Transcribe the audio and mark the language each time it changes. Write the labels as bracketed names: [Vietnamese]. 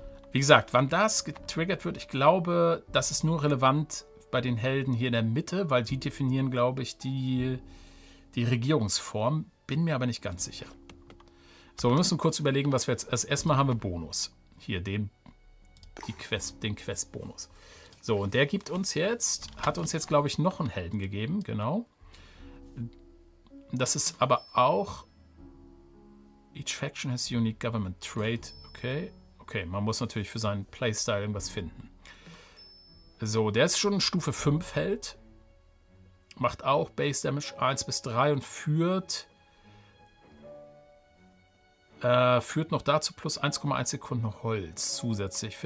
[German] Wie gesagt, wann das getriggert wird, ich glaube, das ist nur relevant bei den Helden hier in der Mitte, weil die definieren, glaube ich, die Regierungsform. Bin mir aber nicht ganz sicher. So, wir müssen kurz überlegen, was wir jetzt... Erstmal haben wir Bonus. Hier, den den Quest-Bonus. So, und der gibt uns jetzt, hat uns jetzt, glaube ich, noch einen Helden gegeben, genau. Das ist aber auch. [English] Each faction has unique government trait. [German] Okay. Okay, man muss natürlich für seinen Playstyle irgendwas finden. So, der ist schon Stufe 5 Held. Macht auch Base Damage 1 bis 3 und führt. Führt noch dazu plus 1,1 Sekunden Holz zusätzlich.